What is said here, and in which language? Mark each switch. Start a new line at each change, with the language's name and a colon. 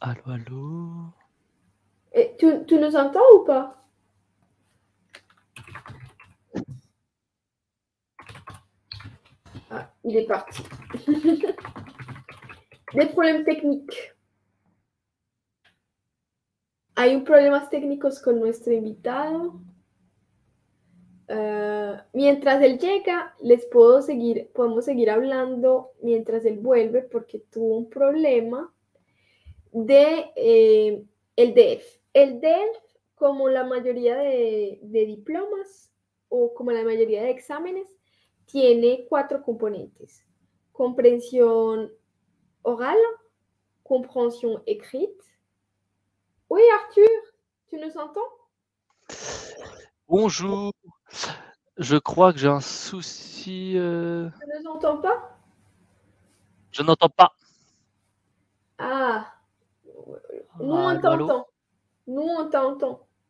French: Allô, allô ? Et tu nous entends ou pas ? Ah, il est parti. Des problèmes techniques.
Spanish: Hay un problema técnico con nuestro invitado. Mientras él llega, les puedo seguir, podemos seguir hablando mientras él vuelve porque tuvo un problema de el DELF. El DELF, como la mayoría de diplomas o como la mayoría de exámenes, tiene cuatro componentes: comprensión oral, comprensión écrite.
French: Oui, Arthur, tu nous entends? Bonjour. Je crois que j'ai un souci. Tu ne m'entends pas ? Je n'entends pas. Ah. Nous, on t'entend. Nous, on t'entend.